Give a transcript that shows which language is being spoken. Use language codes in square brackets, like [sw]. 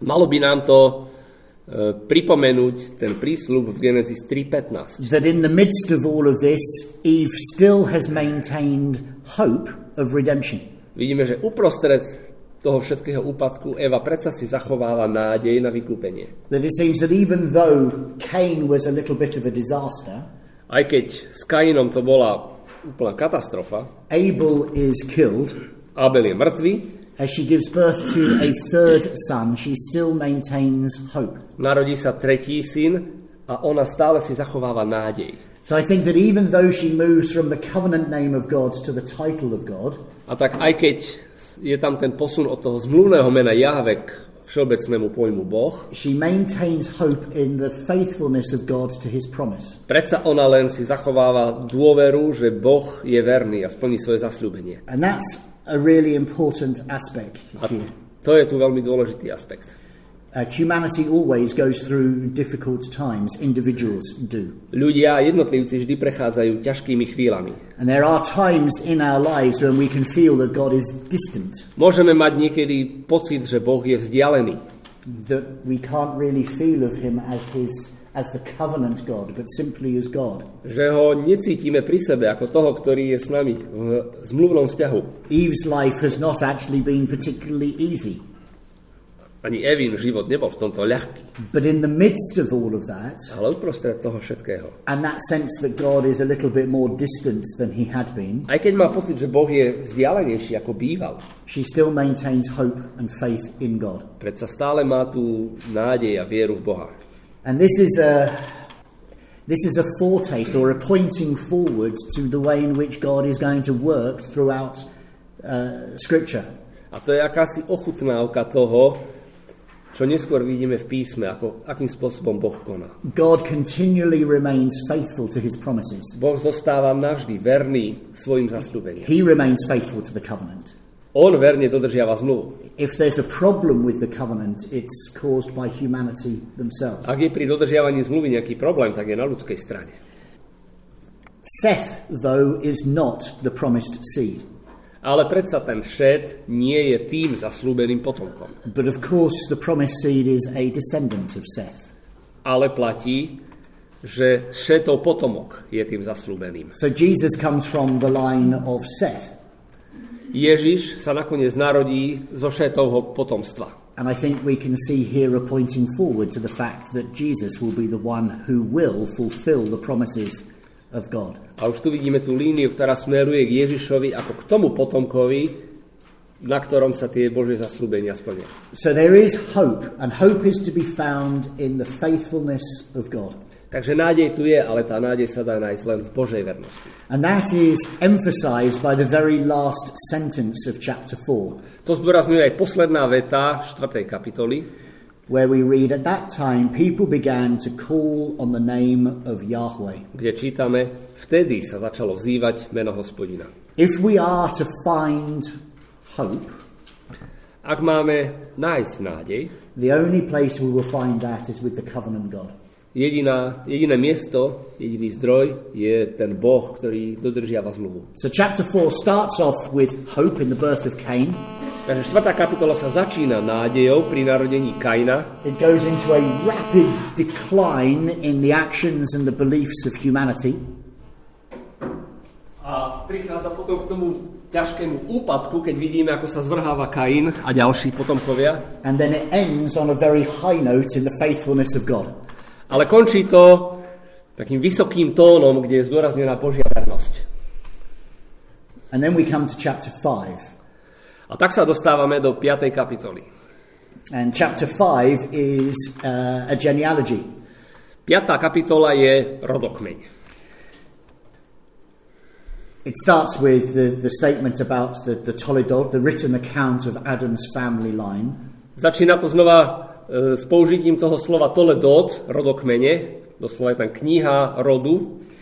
[sk] Malo by nám to pripomenúť ten prísľub v Genesis 3:15. [en] That in the midst of all of this, Eve still has maintained hope of redemption. [sk] Vidíme, že uprostred toho všetkého úpadku Eva predsa si zachovala nádej na vykúpenie. [en] That it seems that even though Cain was a little bit of a disaster, [sk] aj keď s Kainom to bola úplná katastrofa, [en] Abel is killed, [sk] Abel je mŕtvy, [en] as she gives birth to a third son, she still maintains hope. [sk] Narodí sa tretí syn a ona stále si zachováva nádej. [en] So I think that even though she moves from the covenant name of God to the title of God, [sk] a tak aj keď je tam ten posun od toho zmluvného mena Jahve k všeobecnému pojmu Boh, [en] she maintains hope in the faithfulness of God to his promise. [sk] Predsa ona len si zachováva dôveru, že Boh je verný a splní svoje zasľúbenie. [en] And that's a really important aspect here. [sk] To je tu veľmi dôležitý aspekt. [en] Humanity always goes through difficult times, individuals do. [sk] Ľudia, jednotlivci vždy prechádzajú ťažkými chvíľami. [en] And there are times in our lives when we can feel that God is distant. [sk] Môžeme mať niekedy pocit, že Boh je vzdialený. [en] That we can't really feel of him as his as the covenant God, but simply as God. [sk] Že ho necítime pri sebe ako toho, ktorý je s nami v zmluvnom vzťahu. [en] Eve's life has not actually been particularly easy. [sk] Ani Evin život nebol v tomto ľahký. [en] But in the midst of all of that, [sk] ale uprostred toho všetkého, [en] and that sense that God is a little bit more distant than he had been, [sk] aj keď má pocit, že Boh je vzdialenejší ako býval, [en] she still maintains hope and faith in God. [sk] Predsa stále má tú nádej a vieru v Boha. [en] And this is a foretaste or a pointing forward to the way in which God is going to work throughout scripture. [sk] A to je akási ochutnávka toho, čo neskôr vidíme v písme, ako akým spôsobom Boh koná. [en] God continually remains faithful to his promises. [sk] Boh zostáva navždy verný svojim zasľúbeniam. [en] He remains faithful to the covenant. [sk] On verne dodržiava zmluvu. [en] If there's a problem with the covenant, it's caused by humanity themselves. [sk] Ak je pri dodržiavaní zmluvy nejaký problém, tak je na ľudskej strane. [en] Seth, though, is not the promised seed. [sk] Ale predsa ten Šet nie je tým zasľúbeným potomkom. [en] But of course the promised seed is a descendant of Seth. [sk] Ale platí, že Šetov potomok je tým zasľúbeným. [en] So Jesus comes from the line of Seth. [sk] Ježiš sa nakoniec narodí zo Šetovho potomstva. [en] And I think we can see here a pointing forward to the fact that Jesus will be the one who will fulfill the promises of God. [sk] A už tu vidíme tú líniu, ktorá smeruje k Ježišovi ako k tomu potomkovi, na ktorom sa tie Božie zasľúbenia splnia. [en] So there is hope, and hope is to be found in the faithfulness of God. [sk] Takže nádej tu je, ale tá nádej sa dá nájsť len v Božej vernosti. [en] And that is emphasized by the very last sentence of chapter 4. [sk] To zdôrazňuje aj posledná veta 4. kapitoly, [en] where we read at that time people began to call on the name of Yahweh. [sk] Kde čítame, vtedy sa začalo vzývať meno Hospodina. [en] If we are to find hope, [sk] ak máme nájsť nádej, [en] the only place we will find that is with the covenant God. [sk] Jediné miesto, jediný zdroj je ten Boh, ktorý dodržiava zmluvu. [en] So chapter 4 starts off with hope in the birth of Cain. [sk] Takže 4. kapitola sa začína nádejou pri narodení Kaina. [en] It goes into a rapid decline in the actions and the beliefs of humanity. [sk] A prichádza potom k tomu ťažkému úpadku, keď vidíme, ako sa zvrháva Kain a ďalší potomkovia. [en] And then it ends on a very high note in the faithfulness of God. [sk] Ale končí to takým vysokým tónom, kde je zdôraznená Božia vernosť. [en] And then we come to chapter 5. [sk] A tak sa dostávame do 5. kapitoly. [en] And chapter 5 is a genealogy. [sk] 5. kapitola je rodokmeň. [en] It starts with the statement about the Toledot, the written account of Adam's family line. [sk] Začína to znova s použitím toho slova Toledot, rodokmene, doslova je tam kniha rodu.